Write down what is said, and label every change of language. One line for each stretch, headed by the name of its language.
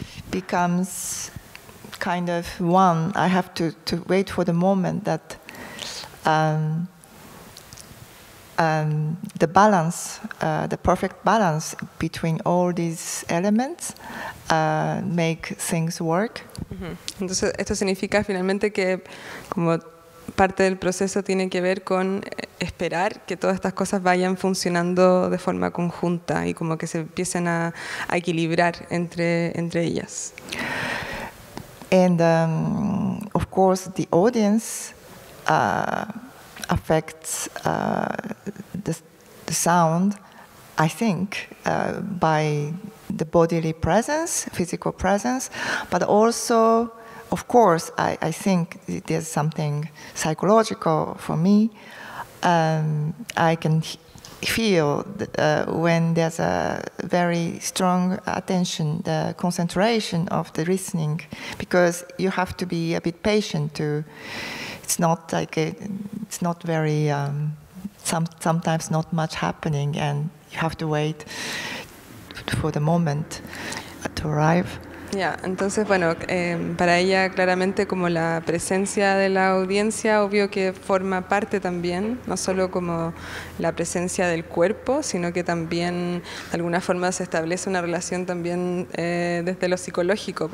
English: becomes kind of one. I have to wait for the moment that the balance, the perfect balance between all these elements make things work. Mm-hmm.
Spanish: Entonces, esto significa finalmente que como parte del proceso tiene que ver con esperar que todas estas cosas vayan funcionando de forma conjunta y como que se empiecen a equilibrar entre ellas.
English: And of course the audience affects the sound, I think, by the bodily presence, physical presence, but also, of course, I think there's something psychological for me. I can feel when there's a very strong attention, the concentration of the listening, because you have to be a bit patient to, sometimes not much happening and you have to wait for the moment to arrive.
Spanish: Yeah, entonces, bueno, para ella claramente como la presencia de la audiencia, obvio que forma parte también, no solo como la presencia del cuerpo, sino que también de alguna forma se establece una relación también desde lo psicológico.